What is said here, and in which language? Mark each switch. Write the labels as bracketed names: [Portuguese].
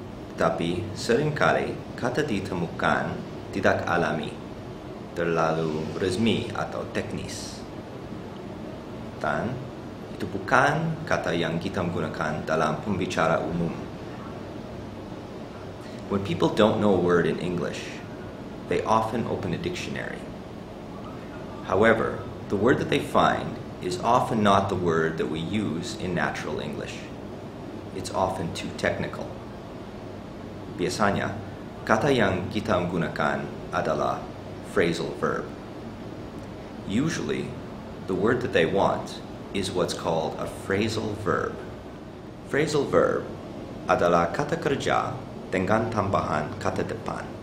[Indonesian] Tetapi seringkali kata ditemukan tidak alami, terlalu resmi atau teknis. Dan itu bukan kata yang kita gunakan dalam pembicara umum. [English] When people don't know a word in English, they often open a dictionary. However, the word that they find is often not the word that we use in natural English. It's often too technical. [Indonesian] Biasanya, kata yang kita gunakan adalah phrasal verb. [English] Usually, the word that they want is what's called a phrasal verb. [Indonesian] Phrasal verb adalah kata kerja dengan tambahan kata depan.